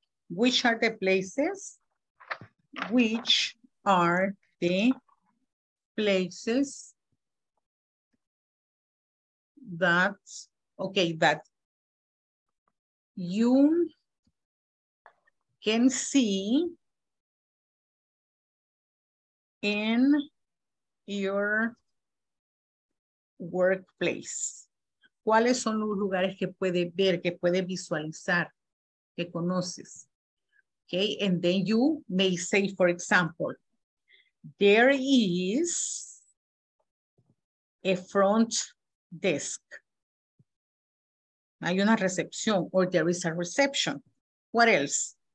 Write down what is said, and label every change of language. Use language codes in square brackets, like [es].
[en] Which are the places? Which are the places that, okay, that you can see in your workplace. [es] ¿Cuáles son los lugares que puede ver, que puede visualizar, que conoces? [en] Okay, and then you may say, for example, there is a front desk. [es] Hay una recepción, [en] or there is a reception. What else?